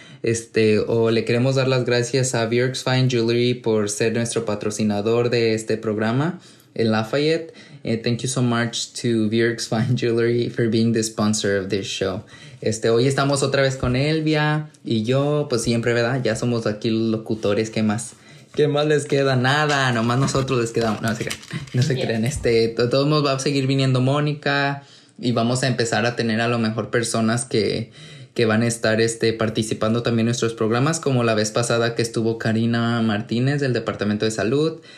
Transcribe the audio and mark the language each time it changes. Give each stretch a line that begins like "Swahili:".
Spanish: Le queremos dar las gracias a Burke's Fine Jewelry por ser nuestro patrocinador de este programa en Lafayette.
English: Thank you so much to Burke's Fine Jewelry for being the sponsor of this show.
Spanish: Hoy estamos otra vez con Elvia y yo, pues siempre, ¿verdad? Ya somos aquí los locutores, ¿qué más? ¿Qué más les queda? Nada, nomás nosotros les quedamos. No se crean. Todos va a seguir viniendo Mónica. Y vamos a empezar a tener a lo mejor personas que van a estar participando también en nuestros programas, como la vez pasada que estuvo Karina Martínez del Departamento de Salud.